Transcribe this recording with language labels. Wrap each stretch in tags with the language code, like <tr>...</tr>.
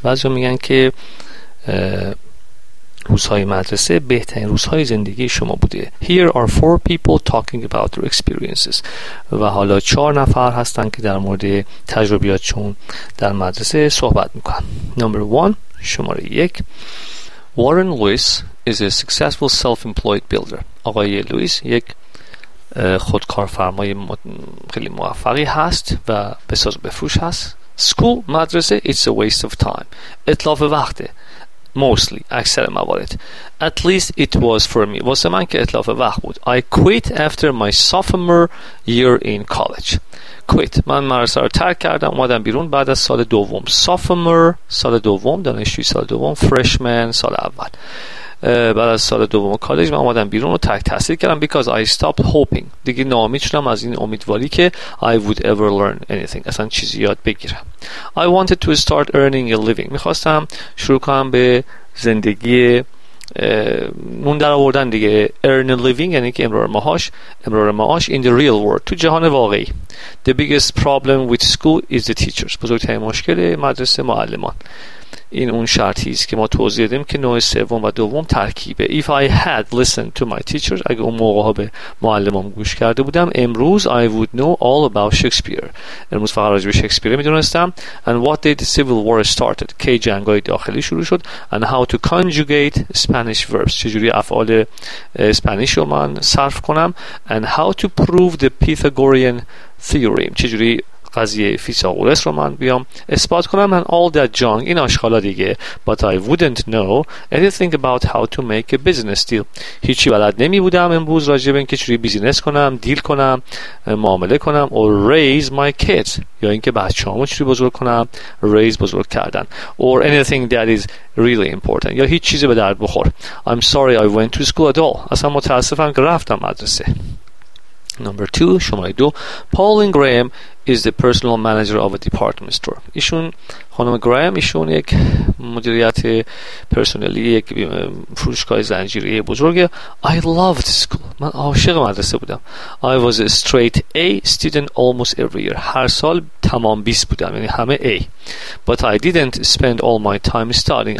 <fa>بعضی میگن که روزهای مدرسه بهترین روزهای زندگی شما بوده.</fa> <en>Here are four people talking about their experiences.</en> <fa>و حالا چهار نفر هستن که در مورد تجربیاتشون در مدرسه صحبت میکنن.</fa> <en>Number one,</en> <fa>شماره یک.</fa> <en>Warren Lewis is a successful self-employed builder.</en> <fa>آقای لوئیس یک خودکارفرمای خیلی موفقی هست و بساز بفروش هست.</fa> <en>School,</en> <fa>مدرسه,</fa> <en>it's a waste of time.</en> <fa>اتلاف وقته.</fa> <en>Mostly,</en> <fa>اکثر موارد.</fa> <en>At least it was for me.</en> <fa>واسه من که اتلاف وقت بود.</fa> <en>I quit after my sophomore year in college. Quit.</en> <fa>من مدرسه رو ترک کردم. اومدم بیرون بعد از سال دوم. Sophomore, سال دوم. دانشجوی سال دوم. Freshman, سال اول. بعد از سال دوم کالج من اومدم بیرون و تک تحصیل کردم</fa> <en>because I stopped hoping.</en> <fa>دیگه ناامید شدم از این امیدواری که</fa> <en>I would ever learn anything.</en> <fa>اصلا چیزی یاد بگیرم.</fa> <en>I wanted to start earning a living.</en> <fa>میخواستم شروع کنم به زندگی نون در آوردن دیگه.</fa> <en>Earn a living</en> <fa>یعنی که امرار معاش</fa> <en>in the real world.</en> <fa>تو جهان واقعی.</fa> <en>The biggest problem with school is the teachers.</en> <fa>بزرگترین مشکل مدرسه معلمان. این اون شرطی است که ما توضیح دیم که نوع سوم و دوم ترکیبه.</fa> <en>If I had listened to my teachers,</en> <fa>اگه اون موقع ها به معلمام گوش کرده بودم,</fa> <en>امروز I would know all about Shakespeare.</en> <fa>امروز فقط راجع به شکسپیر میدونستم.</fa> <en>And what did the Civil War started?</en> <fa>کی جنگای داخلی شروع شد.</fa> <en>And how to conjugate Spanish verbs.</en> <fa>چجوری افعال اسپانیش رو من صرف کنم.</fa> <en>And how to prove the Pythagorean theorem.</en> <fa>چجوری قضیه فیثاغورس رو من بیام اثبات کنم. من</fa> <en>all that junk,</en> <fa>این آشغالا دیگه.</fa> <en>But I wouldn't know anything about how to make a business deal.</en> <fa>هیچی بلد نمی بودم امروز راجع به اینکه چجوری بیزینس کنم, دیل کنم, معامله کنم,</fa> <en>or raise my kids,</en> <fa>یا اینکه بچه‌هامو چجوری بزرگ کنم, raise, بزرگ کردن,</fa> <en>or anything that is really important,</en> <fa>یا هیچ چیزی به درد بخور.</fa> <en>I'm sorry I went to school at all.</en> <fa>اصلا متاسفم که رفتم مدرسه.</fa> <en>Number 2,</en> <fa>شماره 2.</fa> <en>Pauline Graham is the personal manager of a department store.</en> <fa>ایشون خانم گرام ایشون یک مدیریت پرسنلی یک فروشگاه زنجیره‌ای بزرگه.</fa> <en>I loved school.</en> <fa>من عاشق مدرسه بودم.</fa> <en>I was a straight A student almost every year.</en> <fa>هر سال تمام 20 بودم, یعنی همه A.</fa> <en>But I didn't spend all my time studying.</en>